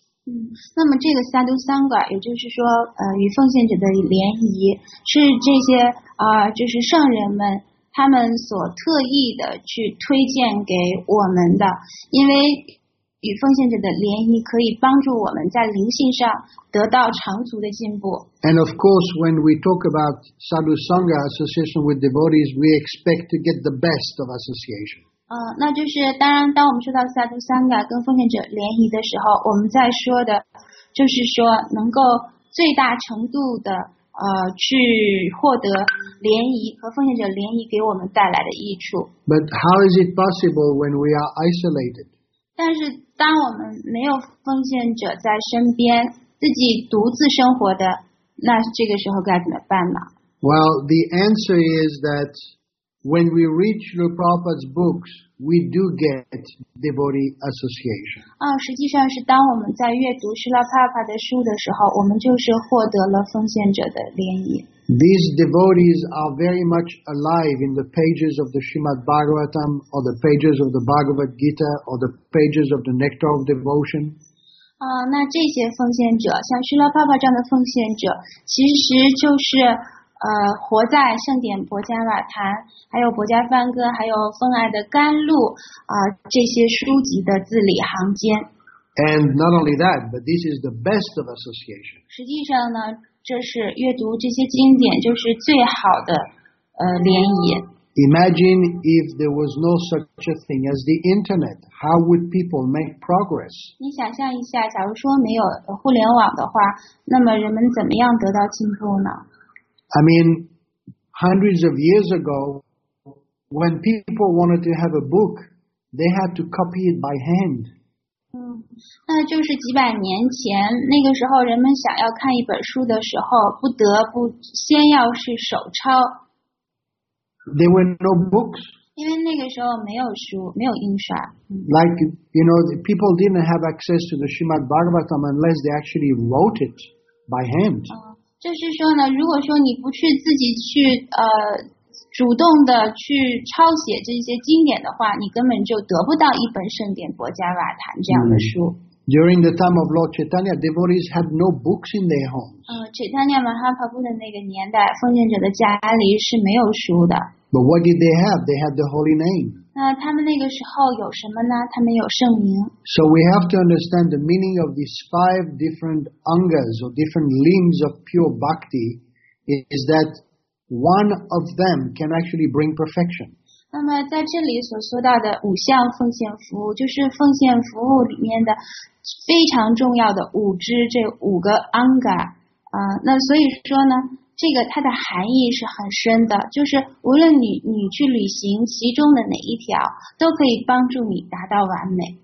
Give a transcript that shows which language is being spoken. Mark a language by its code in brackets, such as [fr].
[zh] 那么这个萨都桑噶，也就是说，与奉献者的联谊，是这些就是圣人们他们所特意的去推荐给我们的，因为与奉献者的联谊可以帮助我们在灵性上得到长足的进步。 [en] And of course, when we talk about sadhu sangha association with devotees, we expect to get the best of association. [zh] 那就是当然，当我们说到萨都桑噶跟奉献者联谊的时候，我们在说的，就是说能够最大程度的去获得联谊和奉献者联谊给我们带来的益处。 [en] But how is it possible when we are isolated? [zh] 但是当我们没有奉献者在身边，自己独自生活的，那这个时候该怎么办呢？ [en] Well, the answer is that. When we reach Srila Prabhupada's books, we do get devotee association. [zh] 实际上是当我们在阅读 Srila Prabhupada 的书的时候，我们就是获得了奉献者的联谊。 [en] These devotees are very much alive in the pages of the Srimad Bhagavatam, or the pages of the Bhagavad Gita, or the pages of the Nectar of Devotion. [zh] 那这些奉献者，像 Srila Prabhupada 这样的奉献者，其实就是活在圣典薄伽瓦坛，还有薄伽梵歌，还有风爱的甘露这些书籍的字里行间。 [en] And not only that, but this is the best of association. [zh] 实际上呢，这是阅读这些经典就是最好的联谊。 [en] Imagine if there was no such a thing as the internet. How would people make progress? [zh] 你想象一下，假如说没有互联网的话，那么人们怎么样得到进步呢？ [en] I mean, hundreds of years ago, when people wanted to have a book, they had to copy it by hand. [zh] 那就是几百年前，那个时候人们想要看一本书的时候，不得不先要是手抄。 [en] There were no books. [zh] 因为那个时候没有书，没有印刷。 [en] Like, you know, the people didn't have access to the Srimad Bhagavatam unless they actually wrote it by hand. [zh] 就是说呢，如果说你不去自己去主动的去抄写这些经典的话，你根本就得不到一本圣典薄伽瓦坛这样的书。 [en] During the time of Lord Chaitanya, devotees had no books in their homes. [zh] Chaitanya Mahaprabhu 的那个年代，奉献者的家里是没有书的。 [en] But what did they have? They had the holy name. [zh] 那他们那个时候有什么呢？他们有圣名。 [en] So we have to understand the meaning of these five different angas or different limbs of pure bhakti is that one of them can actually bring perfection. [zh] 那么在这里所说到的五项奉献服务，就是奉献服务里面的非常重要的五支这五个 anga 那所以说呢，这个它的含义是很深的，就是无论你去履行其中的哪一条，都可以帮助你达到完美。